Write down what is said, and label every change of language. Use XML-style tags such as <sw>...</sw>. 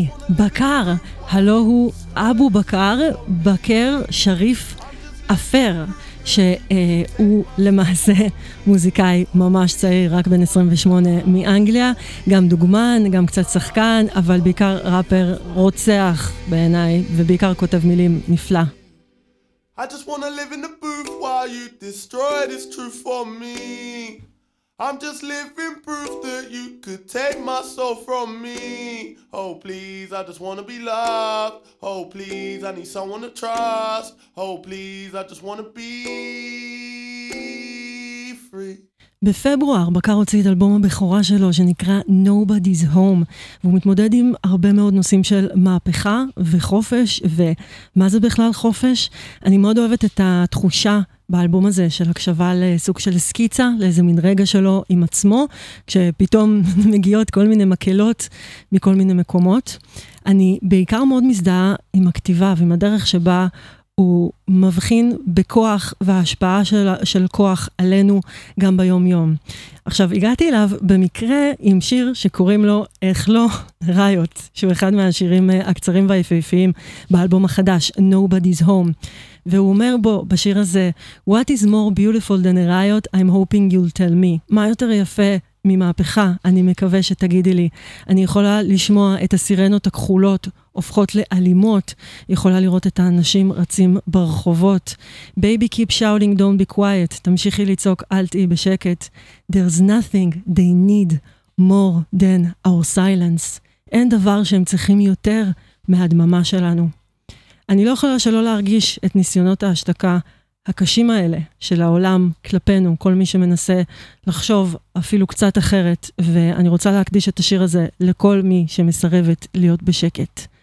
<he>בקר, הלו הוא אבו בקר, בקר שריף אפר, שהוא למעשה מוזיקאי ממש צעיר, רק בן 28 מאנגליה, גם דוגמן, גם קצת שחקן, אבל בעיקר ראפר רוצח בעיניי, ובעיקר כותב מילים נפלא.</he> <en>I just wanna live in the booth while you destroy this truth for me. I'm just living proof that you could take my soul from me. Oh please, I just wanna be loved. Oh please, I need someone to trust. Oh please, I just wanna be free.</en> <he>בפברואר בקר הוציא את אלבום הבכורה שלו שנקרא Nobody's Home, והוא מתמודד עם הרבה מאוד נושאים של מהפכה וחופש, ומה זה בכלל חופש. אני מאוד אוהבת את התחושה באלבום הזה של הקשבה לסוג של סקיצה, לאיזה מין רגע שלו עם עצמו, כשפתאום מגיעות כל מיני מקלות מכל מיני מקומות. אני בעיקר מאוד מזדהה עם הכתיבה ועם הדרך שבה הוא מבחין בכוח וההשפעה של, של כוח עלינו גם ביום יום. עכשיו, הגעתי אליו במקרה עם שיר שקוראים לו איך לא ריוט, שהוא אחד מהשירים הקצרים והיפהפיים באלבום החדש, Nobody's Home. והוא אומר בו בשיר הזה,</he> <en>What is more beautiful than a riot? I'm hoping you'll tell me.</en> <he>מה יותר יפה? ממהפכה, אני מקווה שתגידי לי. אני יכולה לשמוע את הסירנות הכחולות הופכות לאלימות, יכולה לראות את האנשים רצים ברחובות.</he> <en>Baby keep shouting, don't be quiet.</en> <he>תמשיכי לצעוק, אל תהי בשקט.</he> <en>There's nothing they need more than our silence.</en> <he>אין דבר שהם צריכים יותר מהדממה שלנו. אני לא יכולה שלא להרגיש את ניסיונות ההשתקה הקשים האלה של העולם כלפינו, כל מי שמנסה לחשוב אפילו קצת אחרת, ואני רוצה להקדיש את השיר הזה לכל מי שמסרבת להיות בשקט.</he>